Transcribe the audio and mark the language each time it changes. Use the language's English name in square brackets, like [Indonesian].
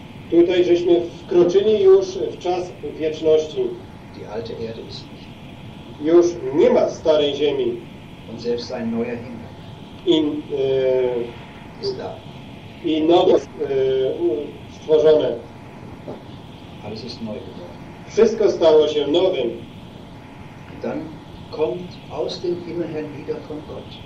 [Polish] Tutaj żeśmy wkroczyli już w czas wieczności. [German] Die alte Erde ist nicht. [Polish] Już nie ma starej ziemi. [German] Und selbst ein neuer Himmel. [Polish] I nowo stworzone. [German] Alles ist neu geworden. [Polish] Wszystko stało się nowym. [German] Dann kommt aus dem Himmel her wieder von Gott.